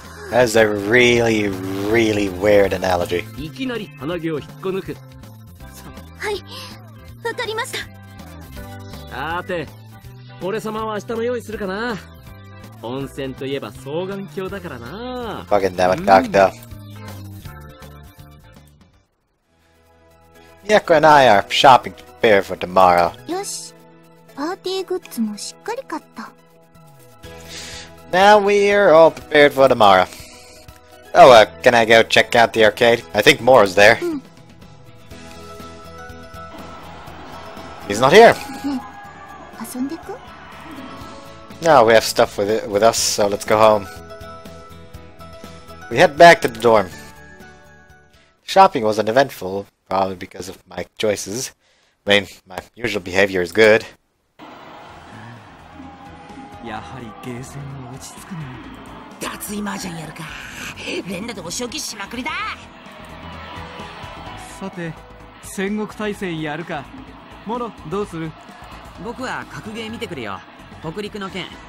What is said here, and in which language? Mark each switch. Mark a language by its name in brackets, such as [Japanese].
[English] That's a really, really weird analogy. [Japanese] いきなり鼻毛を引っこ抜く。はい、わかりました。さて、俺様は明日の用意するかな。温泉といえば双眼鏡だからな。 [English] Fucking damn it, Doctor. Miyako and I are shopping to prepare for tomorrow. [Japanese] よし、パーティーグッズもしっかり買った。 [English] Now we are all prepared for tomorrow. Oh, can I go check out the arcade? I think Moro's there. He's not here. No, we have stuff with us, so let's go home. We head back to the dorm. Shopping was uneventful, probably because of my choices. I mean, my usual behavior is good. [Japanese] やはりゲーセンは落ち着くね。脱衣麻雀やるか。連打でお仕置きしまくりだ。さて、戦国大戦やるか。モロ、どうする？僕は格ゲー見てくるよ。北陸の剣。